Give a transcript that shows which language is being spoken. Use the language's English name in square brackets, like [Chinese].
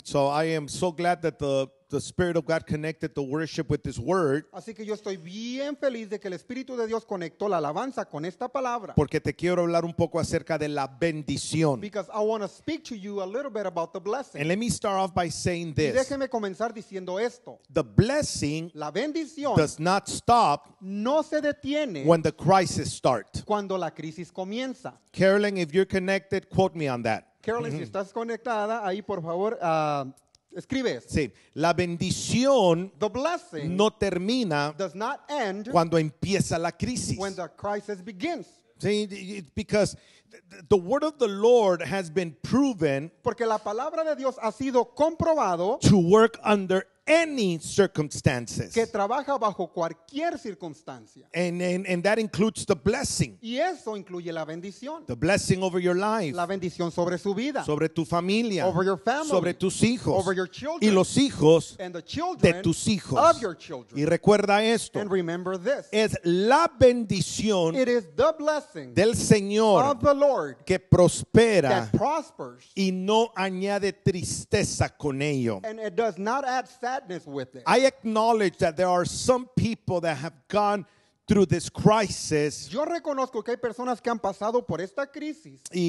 [English] So I am so glad that the Spirit of God connected the worship with this word. [Spanish] Así que yo estoy bien feliz de que el Espíritu de Dios conectó la alabanza con esta palabra. Porque te quiero hablar un poco acerca de la bendición. [English] Because I want to speak to you a little bit about the blessing. And let me start off by saying this. [Spanish] Y déjeme comenzar diciendo esto. [English] The blessing, [Spanish] la bendición, [English] does not stop, [Spanish] no se detiene, [English] when the crisis starts, [Spanish] cuando la crisis comienza. [English] Carolyn, if you're connected, quote me on that. [Spanish] Carolyn, mm-hmm. Si estás conectada, ahí por favor, escribe. Sí, la bendición, [English] the blessing, [Spanish] no termina, [English] does not end, [Spanish] cuando empieza la crisis. [English] When the crisis begins. See, because the word of the Lord has been proven, [Spanish] porque la palabra de Dios ha sido comprobado, [English] to work under any circumstances, [Spanish] que trabaja bajo cualquier circunstancia, [English] and that includes the blessing, [Spanish] y eso incluye la bendición, [English] the blessing over your life, [Spanish] la bendición sobre su vida, sobre tu familia, [English] over your family, [Spanish] sobre tus hijos, [English] over your children, [Spanish] y los hijos, [English] and the children, [Spanish] de tus hijos, [English] of your children. [Spanish] Y recuerda esto, [English] and remember this, [Spanish] es la bendición, [English] it is the blessing, [Spanish] del Señor, [English] of the Lord, [Spanish] que prospera, [English] that prospers, [Spanish] y no añade tristeza con ello, [English] and it does not add sadness with it. I acknowledge that there are some people that have gone through this crisis. [Spanish] Yo reconozco que hay personas que han pasado por esta crisis.